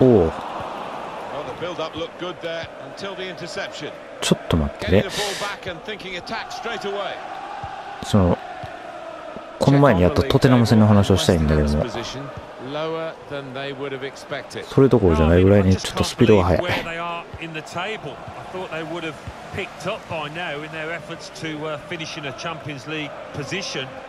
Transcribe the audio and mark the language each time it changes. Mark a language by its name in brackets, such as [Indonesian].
[English] Well, the build-up looked good there until the interception. [Japanese] ちょっと待って。 [English] Getting the ball back and thinking attack straight away. [Japanese] そのこの前にやったトテナム戦の話をしたいんだけども、それどころじゃないぐらいにちょっとスピードが速い。 [English] Thought they would have picked up by now in their efforts to finish in a Champions League position.